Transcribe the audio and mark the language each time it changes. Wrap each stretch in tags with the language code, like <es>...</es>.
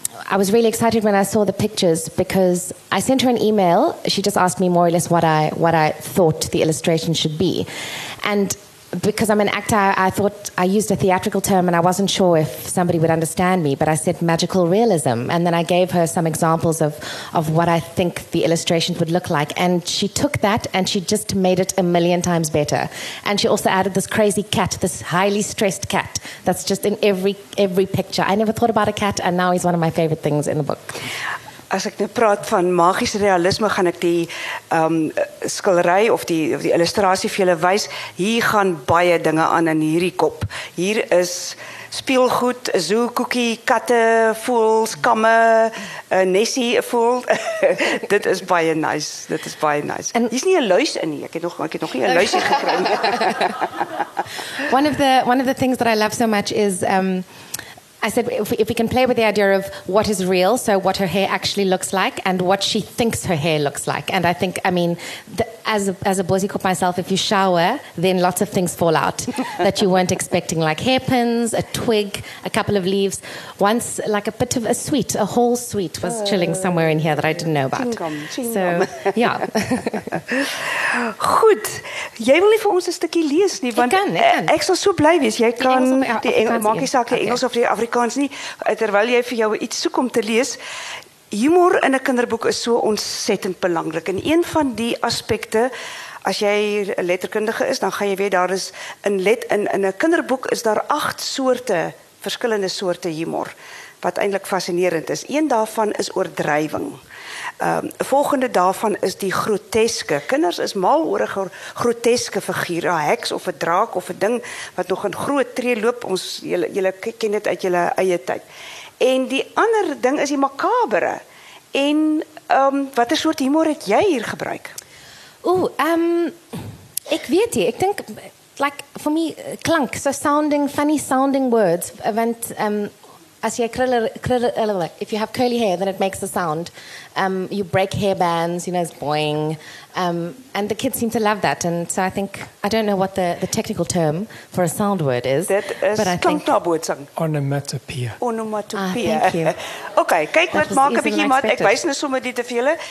<en>I was really excited when I saw the pictures, because I sent her an email, she just asked me more or less what I thought the illustration should be, and because I'm an actor, I thought I used a theatrical term and I wasn't sure if somebody would understand me, but I said magical realism, and then I gave her some examples of what I think the illustration would look like, and she took that and she just made it a million times better. And she also added this crazy cat, this highly stressed cat that's just in every picture. I never thought about a cat, and now he's one of my favorite things in the book.</en> <af>As ek nou praat van magiese realisme, gaan ek die skildery of die illustrasie vir julle wys. Hier gaan baie dinge aan in hierdie kop. Hier is speelgoed, zoo, koekie, katte, voels, kamme, Nessie, voel. Dit is baie nice. Dit is baie nice. En hier is nie 'n luis in nie. Ek het nog nie 'n luisie gekry.</af> <en>One of the things that I love so much is I said, if we can play with the idea of what is real, so what her hair actually looks like and what she thinks her hair looks like. And I think, I mean, as a bossiekop myself, if you shower, then lots of things fall out that you weren't expecting, like hairpins, a twig, a couple of leaves. Once, like a bit of a sweet, a whole sweet was chilling somewhere in here that I didn't know about. Ching-gum. So, yeah.</en> <af>Goed. Jy wil nie vir ons 'n stukkie lees nie, want ek sal so bly wees. Jy kan die Engels, maak nie saak die Engels of die Afrikaans nie, terwyl jy vir jou iets soek om te lees. Humor in 'n kinderboek is so ontsettend belangrik. En een van die aspekte, as jy 'n letterkundige is, dan gaan jy weet daar is in 'n kinderboek is daar 8 soorte, verskillende soorte humor, wat eintlik fascinerend is. Een daarvan is oordrywing. Volgende daarvan is die groteske. Kinders is mal oor 'n groteske figuur, 'n heks of 'n draak of 'n ding wat nog in groot tree loop. Ons julle ken dit uit julle eie tyd. En die ander ding is die makabere. En watter soort humor het jy hier gebruik? Ek weet nie. Ek dink,</af> <en>like, for me, klank, so sounding, funny sounding words,</en> <af>want as</af> <en>you if you have curly hair, then it makes a sound. You break hair bands, you know, it's boing. And the kids seem to love that. And so I think, I don't know what the technical term for a sound word is. That is but I think onomatopoeia. Onomatopoeia. Ah, thank you. Okay,</en> <af>kyk wat maak 'n bietjie mat. Ek wys net sommer dit te vir julle.</af>